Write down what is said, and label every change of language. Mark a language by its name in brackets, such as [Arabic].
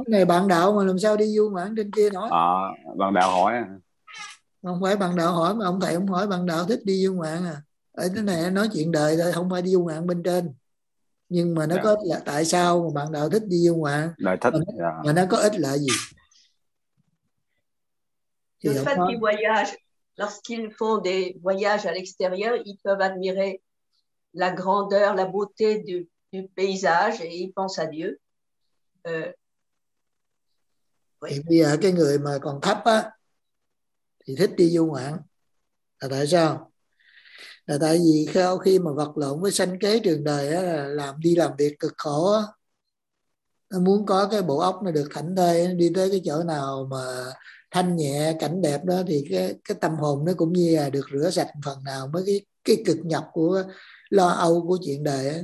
[Vietnamese] Này bạn đạo mà làm sao đi du ngoạn trên kia nói? À, bạn đạo hỏi. Không phải bạn đạo hỏi mà ông thầy ông hỏi bạn đạo thích đi du ngoạn à? Ở thế này nói chuyện đời thôi, không phải đi du ngoạn bên trên. Nhưng mà nó có là tại sao mà bạn đạo thích đi du ngoạn? Lại thích mà, mà nó có ích lợi gì? Thì [French] le fait qu'ils voyagent, lorsqu'ils font des voyages à l'extérieur, ils peuvent admirer la grandeur, la beauté du paysage et ils pensent à Dieu. Oui. [Vietnamese] Thì bây giờ cái người mà còn thấp á thì thích đi du ngoạn. Là tại sao? Là tại vì khi mà vật lộn với sanh kế trường đời á, là làm đi làm việc cực khổ á, nó muốn có cái bộ óc nó được thảnh thơi, đi tới cái chỗ nào mà thanh nhẹ cảnh đẹp đó thì cái tâm hồn nó cũng như là được rửa sạch phần nào mới cái cực nhọc của lo âu của chuyện đời á.